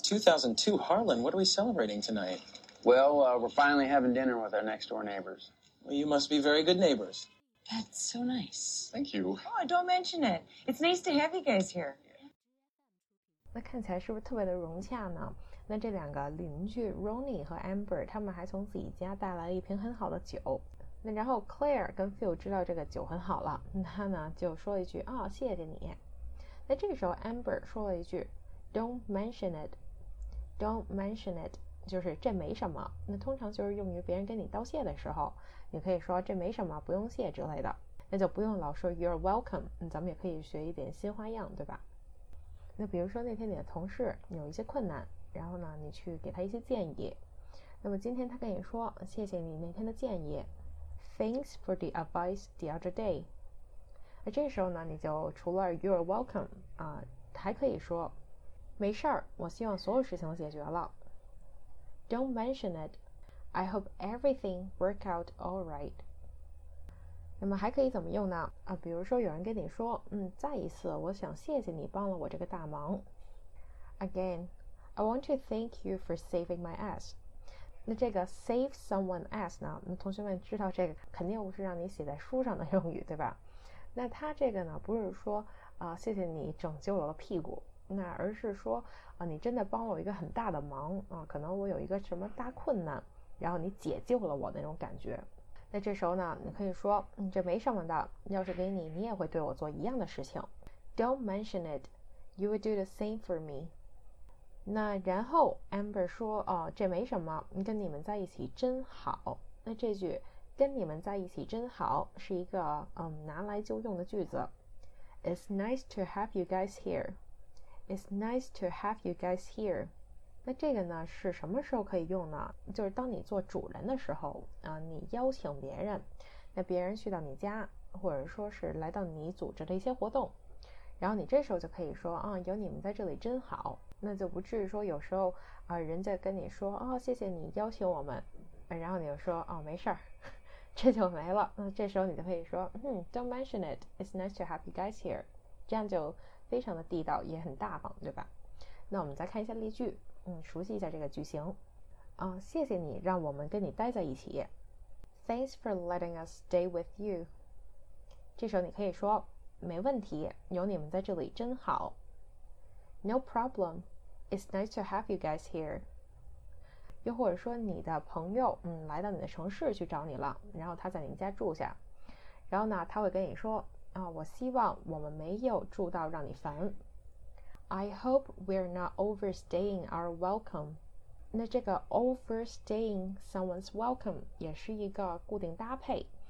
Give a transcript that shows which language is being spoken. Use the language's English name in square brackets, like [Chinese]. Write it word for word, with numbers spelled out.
[English] two thousand two Harlan, what are we celebrating tonight? Well, uh, we're finally having dinner with our next-door neighbors. Well, you must be very good neighbors. That's so nice. Thank you. Oh, don't mention it. It's nice to have you guys here. [Chinese] 那看起来是不是特别的融洽呢？那这两个邻居 Ronnie 和 Amber 他们还从自己家带来了一瓶很好的酒。那然后 Claire 跟 Phil 知道这个酒很好了，他呢就说了一句啊、哦，谢谢你。那这个时候 Amber 说了一句。 [English] Don't mention it. Don't mention it. [Chinese] 就是这没什么。那通常就是用于别人跟你道谢的时候，你可以说这没什么，不用谢之类的。那就不用老说 [English] You're welcome。 [Chinese] 咱们也可以学一点新花样，对吧？那比如说那天你的同事有一些困难，然后呢，你去给他一些建议。那么今天他跟你说，谢谢你那天的建议。 [English] Thanks for the advice the other day。 [Chinese] 那这时候呢，你就除了 [English] You're welcome [Chinese] 啊、呃，还可以说。没事儿，我希望所有事情都解决了。 [English] Don't mention it. I hope everything work out all right. [Chinese] 那么还可以怎么用呢？啊，比如说有人跟你说，嗯，再一次，我想谢谢你帮了我这个大忙。 [English] Again, I want to thank you for saving my ass. [Chinese] 那这个 [English] save someone ass [Chinese] 呢？那同学们知道这个肯定不是让你写在书上的用语，对吧？那它这个呢，不是说啊、呃，谢谢你拯救了我的屁股。那而是说啊，你真的帮了我一个很大的忙啊，可能我有一个什么大困难，然后你解救了我那种感觉。那这时候呢，你可以说，嗯，这没什么的，要是给你，你也会对我做一样的事情。 [English] Don't mention it, you will do the same for me. [Chinese] 那然后 Amber 说，哦，这没什么，跟你们在一起真好。那这句跟你们在一起真好是一个嗯拿来就用的句子。 [English] It's nice to have you guys here. It's nice to have you guys here. [Chinese] 那这个呢是什么时候可以用呢？就是当你做主人的时候啊，你邀请别人，那别人去到你家，或者说是来到你组织的一些活动，然后你这时候就可以说啊，有你们在这里真好。那就不至于说有时候啊，人家跟你说啊、哦，谢谢你邀请我们，然后你就说哦，没事儿，这就没了。那这时候你就可以说，嗯 ， [English] Don't mention it. It's nice to have you guys here. [Chinese] 这样就。非常的地道，也很大方，对吧？那我们再看一下例句，嗯，熟悉一下这个句型。啊，谢谢你让我们跟你待在一起。 [English] Thanks for letting us stay with you。 [Chinese] 这时候你可以说，没问题，有你们在这里真好。 [English] No problem. It's nice to have you guys here。 [Chinese] 又或者说，你的朋友，嗯，来到你的城市去找你了，然后他在你家住下，然后呢，他会跟你说。啊，我希望我们没有住到让你烦。 [English] I hope we're not overstaying our welcome。 [Chinese] 那这个 [English] overstaying someone's welcome [Chinese] 也是一个固定搭配。